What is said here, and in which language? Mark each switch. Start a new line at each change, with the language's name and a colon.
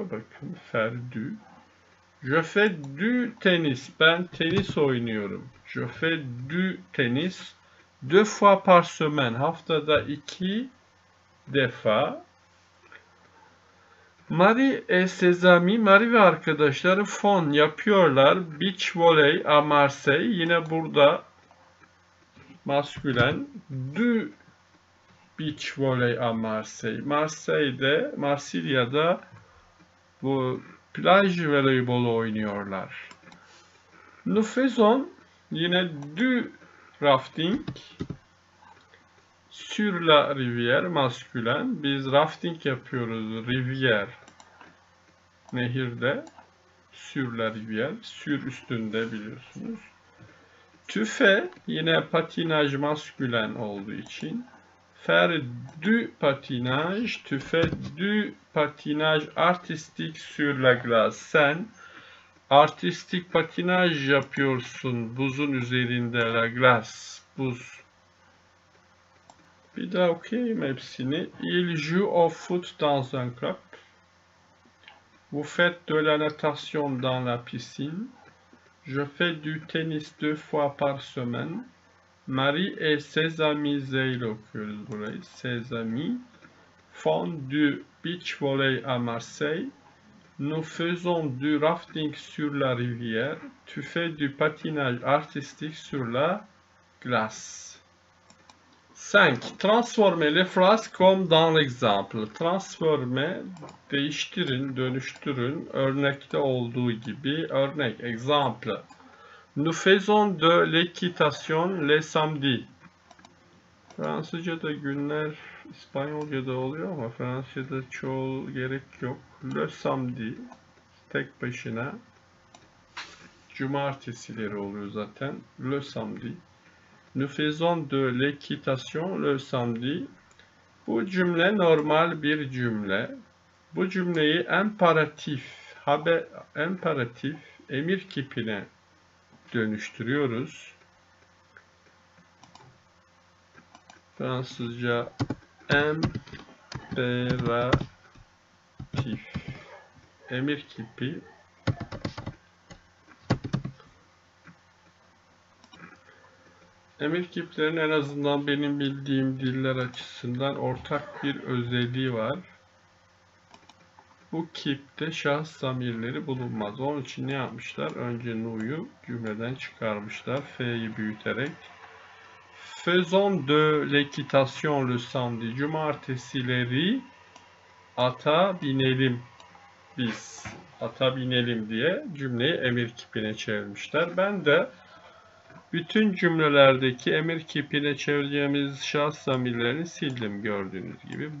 Turkish: Bakın,
French: fer du. Je fais du tennis.
Turkish: Ben tenis oynuyorum.
French: Je fais du tennis. Deux fois par semaine.
Turkish: Haftada iki defa.
French: Marie et ses amis,
Turkish: Marie ve arkadaşları fon yapıyorlar.
French: Beach volley à Marseille.
Turkish: Yine burada maskülen.
French: Du beach volley à Marseille.
Turkish: Marseille'de, Marsilya'da bu plaj voleybolu oynuyorlar.
French: Nous faisons
Turkish: yine
French: du rafting sur la rivière
Turkish: maskülen. Biz rafting yapıyoruz rivière. Nehirde,
French: sur la rivière,
Turkish: sur üstünde biliyorsunuz. Tu fais, yine patinaj maskülen olduğu için.
French: Faire du patinage, tu fais du patinage artistique sur la glace.
Turkish: Sen artistik patinaj yapıyorsun buzun üzerinde,
French: la glace,
Turkish: buz. Bir daha okuyayım hepsini.
French: Il joue au foot dans un club. Vous faites de la natation dans la piscine. Je fais du tennis deux fois par semaine. Marie et ses amis, ses amis font du beach volley à Marseille. Nous faisons du rafting sur la rivière. Tu fais du patinage artistique sur la glace. 5. Transformez les phrases comme dans l'exemple. Transformez,
Turkish: değiştirin, dönüştürün. Örnekte olduğu gibi. Örnek,
French: exemple. Nous faisons de l'équitation les samedis.
Turkish: Fransızca'da günler, İspanyolca'da oluyor ama Fransızca'da çoğul gerek yok.
French: Le samedi,
Turkish: tek başına. Cumartesileri oluyor zaten.
French: Le samedi. Nous faisons de l'équitation le samedi.
Turkish: Bu cümle normal bir cümle. Bu cümleyi imperatif, haber, imperatif, emir kipine dönüştürüyoruz. Fransızca imperatif, emir kipi. Emir kiplerin en azından benim bildiğim diller açısından ortak bir özelliği var. Bu kipte şahıs zamirleri bulunmaz. Onun için ne yapmışlar? Önce nu'yu cümleden çıkarmışlar. F'yi büyüterek.
French: Faisons de l'équitation le samedi.
Turkish: Cumartesileri ata binelim. Biz ata binelim diye cümleyi emir kipine çevirmişler. Ben de bütün cümlelerdeki emir kipine çevireceğimiz şahıs zamirlerini sildim gördüğünüz gibi.